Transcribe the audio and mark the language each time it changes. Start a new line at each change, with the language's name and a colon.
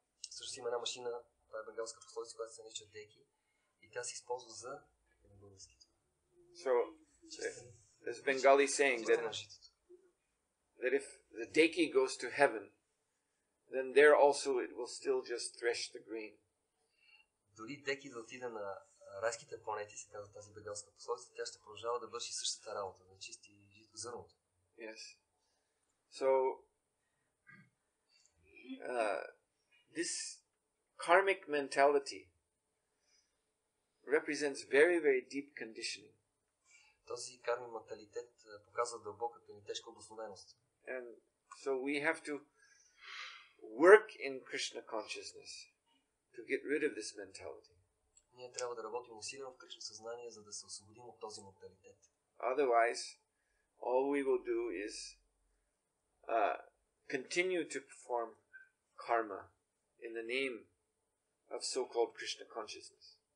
Bulgarian: Също има една машина, това е бенгалска пословица, която се нарича деки, и тя се използва за български.
English: So there's Bengali saying that if the deki goes to heaven, then there also it will still just thresh the grain.
Bulgarian: Дори деки да отиде на райските планети, се казва тази бенгалска пословица, тя ще продължава да върши същата работа, да чисти жито зърното.
English: Yes. So this karmic mentality represents very, very deep conditioning.
Bulgarian: Този карми менталитет показва дълбоката ни тежка обоснованост.
English: And so we have to work in Krishna consciousness to get rid of this mentality.
Bulgarian: Ние трябва да работим усилено в Кришна съзнание, за да се освободим от този менталитет.
English: Otherwise, all we will do is continue to perform karma in the name of so-called Krishna consciousness.